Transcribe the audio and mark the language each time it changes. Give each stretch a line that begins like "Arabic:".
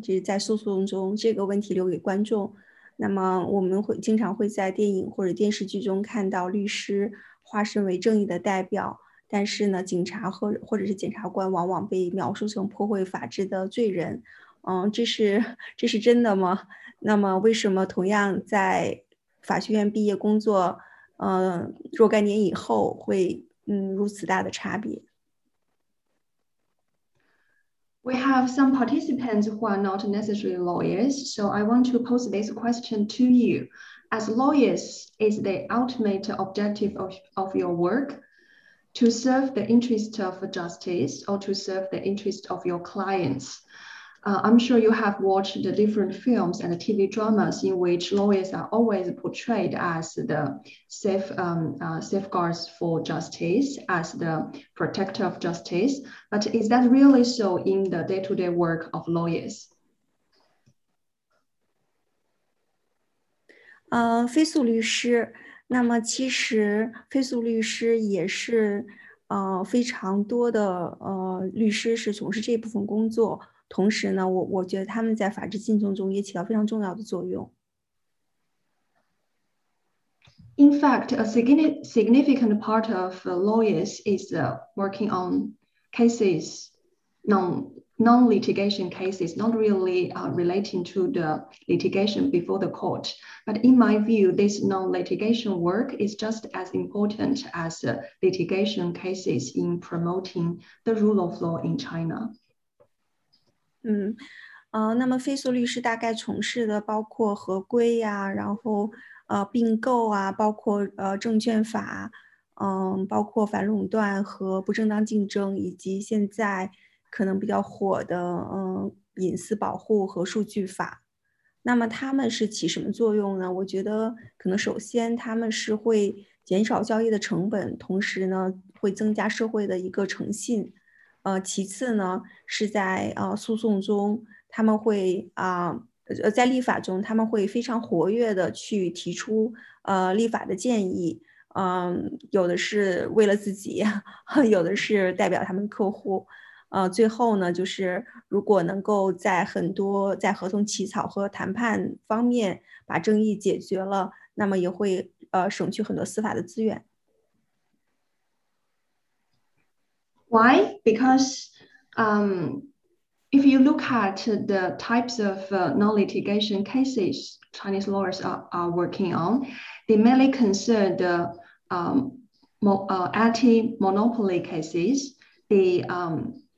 Chinese: 就是在诉讼中，这个问题留给观众。那么，我们会经常会在电影或者电视剧中看到律师化身为正义的代表，但是呢，警察或者是检察官往往被描述成破坏法治的罪人。这是真的吗？那么为什么同样在法学院毕业工作，若干年以后会如此大的差别？
English: We have some participants who are not necessarily lawyers, so I want to pose this question to you. As lawyers, is the ultimate objective of your work to serve the interest of justice or to serve the interest of your clients? I'm sure you have watched the different films and TV dramas in which lawyers are always portrayed as the safeguards for justice, as the protector of justice. But is that really so in the day-to-day work of lawyers?
Chinese: 非诉律师，那么其实非诉律师也是非常多的律师是从事这部分工作。同时呢，我觉得他们在法治进程中也起到非常重要的作用。
English: In fact, a significant part of lawyers is working on cases, non-litigation cases, not really relating to the litigation before the court. But in my view, this non-litigation work is just as important as litigation cases in promoting the rule of law in China.
Chinese: 那么非诉律师大概从事的包括合规呀、然后并购啊，包括证券法，包括反垄断和不正当竞争，以及现在可能比较火的隐私保护和数据法。那么他们是起什么作用呢？我觉得可能首先他们是会减少交易的成本，同时呢会增加社会的一个诚信。其次呢，是在诉讼中，他们会在立法中，他们会非常活跃的去提出立法的建议，有的是为了自己，有的是代表他们客户，最后呢，就是如果能够在很多在合同起草和谈判方面把争议解决了，那么也会省去很多司法的资源。
English: Why? Because if you look at the types of non-litigation cases Chinese lawyers are working on, they mainly concern the anti-monopoly cases, the